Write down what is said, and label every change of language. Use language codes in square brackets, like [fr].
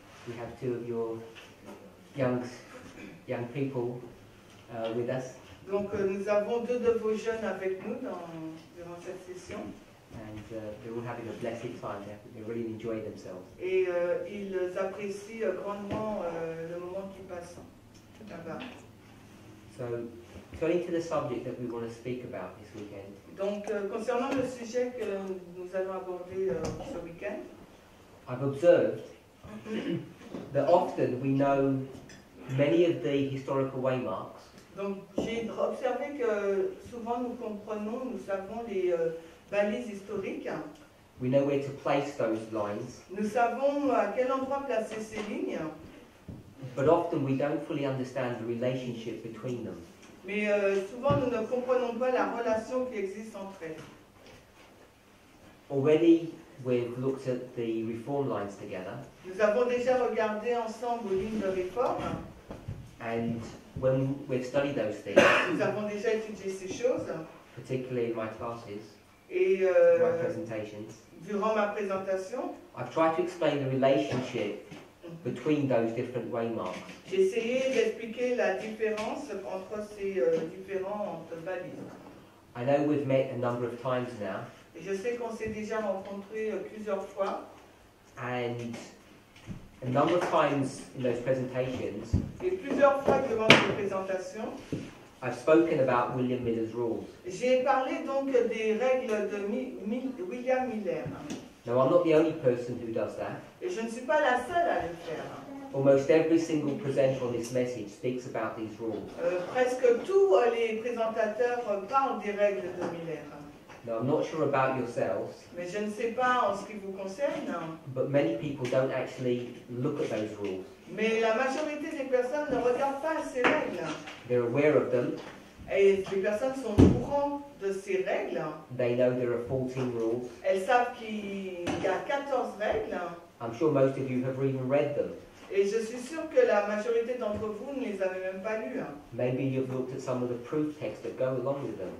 [en] We have two of your young people with us. [fr] Donc nous avons deux de vos jeunes avec nous durant cette session. [en] And they're all having a blessed time. They're really enjoying themselves. [fr] Et ils apprécient grandement le moment qui passe là-bas. [en] So, turning to the subject that we want to speak about this weekend. [fr] Donc, concernant le sujet que nous allons aborder ce weekend. [en] I've observed that often we know many of the historical waymarks. [fr] Donc, j'ai observé que souvent nous comprenons, nous savons les balises historiques. [en] We know where to place those lines. [fr] Nous savons à quel endroit placer ces lignes. [en] But often we don't fully understand the relationship between them. [fr] Mais souvent nous ne comprenons pas la relation qui existe entre elles. [en] Already we've looked at the reform lines together. [fr] Nous avons déjà regardé ensemble les lignes de réforme. [en] And when we've studied those things. [fr] Nous avons déjà étudié ces choses. [en] Particularly in my classes. [fr] Et [en] my presentations. [fr] Durant ma présentation. [en] I've tried to explain the relationship between those different waymarks. [fr] J'ai essayé d'expliquer la différence entre ces différentes balises. [en] I know we've met a number of times now. [fr] Et je sais qu'on s'est déjà rencontrés plusieurs fois. [en] And a number of times in those presentations. [fr] Et plusieurs fois durant ces présentations. [en] I've spoken about William Miller's rules. [fr] J'ai parlé donc des règles de William Miller. [en] Now, I'm not the only person who does that. [fr] Et je ne suis pas la seule à le faire. [en] Almost every single presenter on this message speaks about these rules. [fr] Presque tous les présentateurs parlent des règles de Miller. [en] Now, I'm not sure about yourselves. [fr] Mais je ne sais pas en ce qui vous concerne. [en] But many people don't actually look at those rules. [fr] Mais la majorité des personnes ne regardent pas ces règles. [en] They're aware of them. [fr] Et les personnes sont au courant de ces règles. [en] They know there are 14 rules. [fr] Elles savent qu'il y a 14 règles. [en] I'm sure most of you have even read them. [fr] Et je suis sûr que la majorité d'entre vous ne les avez même pas lues. [en] Maybe you've looked at some of the proof texts that go along with them.